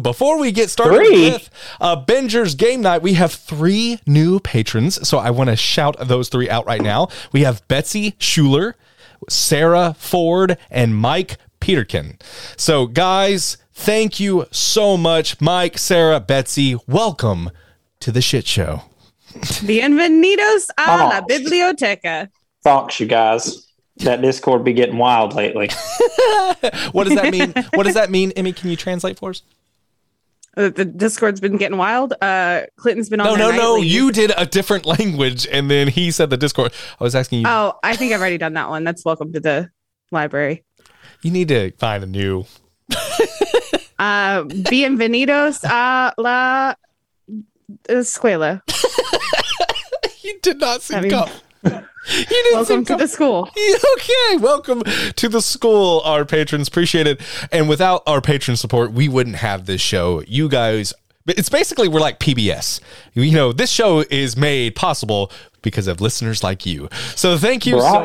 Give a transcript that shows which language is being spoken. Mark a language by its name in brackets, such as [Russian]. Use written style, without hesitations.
[English] Before we get started with Avengers game night, we have 3 new patrons. So I want to shout those 3 out right now. We have Betsy Schuler, Sarah Ford, and Mike Peterkin. So, guys... Thank you so much, Mike, Sarah, Betsy. Welcome to the shit show. [Spanish] Bienvenidos a la biblioteca. [English] Thanks, you guys. That Discord be getting wild lately. What does that mean? What does that mean, Emmy? Can you translate for us? The Discord's been getting wild. Clinton's been on. No. You did a different language, and then he said the Discord. I was asking you. Oh, I think I've already done that one. That's welcome to the library. You need to find a new... [Spanish] Bienvenidos a la escuela. [English] You did not seem You didn't welcome seem to the school. Okay, welcome to the school, our patrons. Appreciate it. And without our patron support, we wouldn't have this show. You guys, it's basically we're like PBS. You know, this show is made possible because of listeners like you. So thank you.